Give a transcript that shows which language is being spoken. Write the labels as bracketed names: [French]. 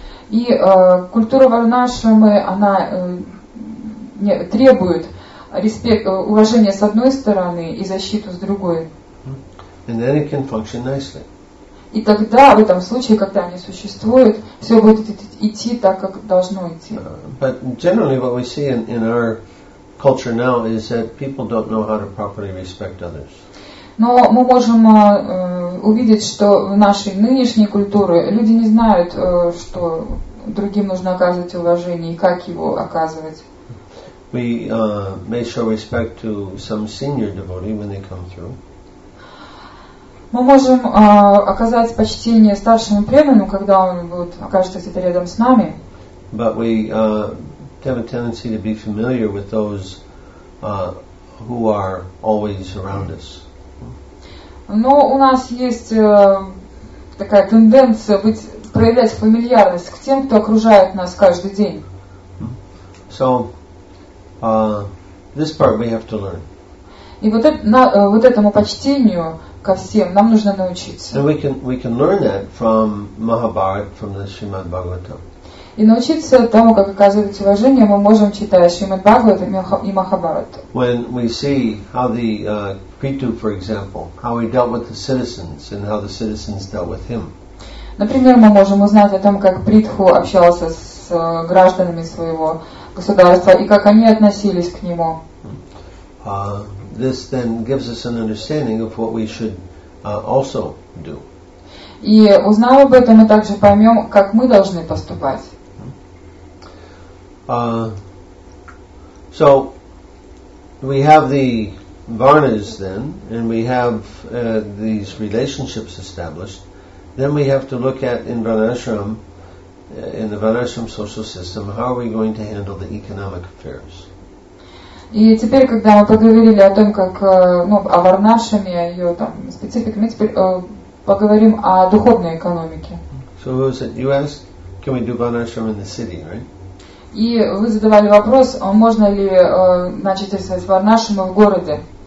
[Russian] И культура Варнашрамы, она требует респект, уважения с одной стороны и защиту с другой. [English] And then it can function nicely. [Russian] И тогда, в этом случае, когда они существуют, все будет идти так, как должно идти. [English] But generally what we see in our culture now is that people don't know how to properly respect others. [Russian] Но мы можем увидеть, что в нашей нынешней культуре люди не знают, что другим нужно оказывать уважение и как его оказывать. [English] We may show respect to some senior devotee when they come through. [Russian] Мы можем оказать почтение старшему преданному, когда он будет оказываться рядом с нами. [English] But we have a tendency to be familiar with those who are always around us. [Russian] Но у нас есть такая тенденция быть, проявлять фамильярность к тем, кто окружает нас каждый день. [English] So, this part we have to learn. [Russian] И вот, вот этому почтению ко всем нам нужно научиться. [English] And we can learn that from Mahabharata, from the Srimad Bhagavatam. [Russian] И научиться тому, как оказывать уважение, мы можем, читая Шримад Бхагавата и Махабхарату. [English] When we see how the Ketu, for example, how he dealt with the citizens and how the citizens dealt with him. [Russian] Например, мы можем узнать о том, как Притху общался с гражданами своего государства и как они относились к нему. [English] This then gives us an understanding of what we should also do. [Russian] И узнав об этом, мы также поймем, как мы должны поступать. [English] So we have the varnas then, and we have these relationships established. Then we have to look at in Varnashram, in the Varnashram social system, how are we going to handle the economic affairs? [Russian] И теперь, когда мы поговорили о том, как о Варнашраме, о ее там специфике, мы теперь поговорим о духовной экономике. [English] So who is it? You asked, can we do Varnashram in the city, right? [Russian] И вы задавали вопрос, можно ли начать с Варнашрамы в городе?